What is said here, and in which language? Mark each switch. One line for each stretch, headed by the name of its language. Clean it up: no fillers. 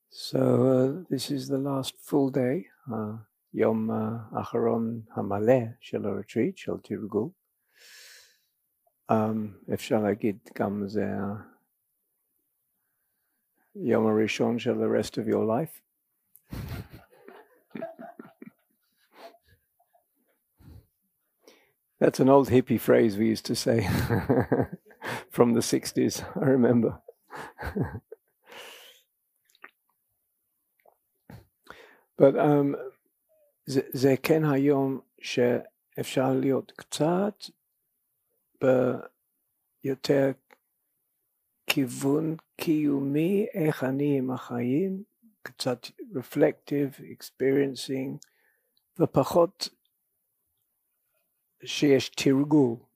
English: So this is the last full day, Yom Acharon Hamale
Hebrew: של הרטריט, של תרגול. אפשר להגיד גם זה היום הראשון של
English: the rest of your life. That's an old hippie phrase we used to say from the 60s, I remember.
Hebrew: But זה כן היום שאפשר להיות קצת ביותר כיוון קיומי, איך אני עם החיים, קצת
English: reflective, experiencing,
Hebrew: ופחות שיש תרגול.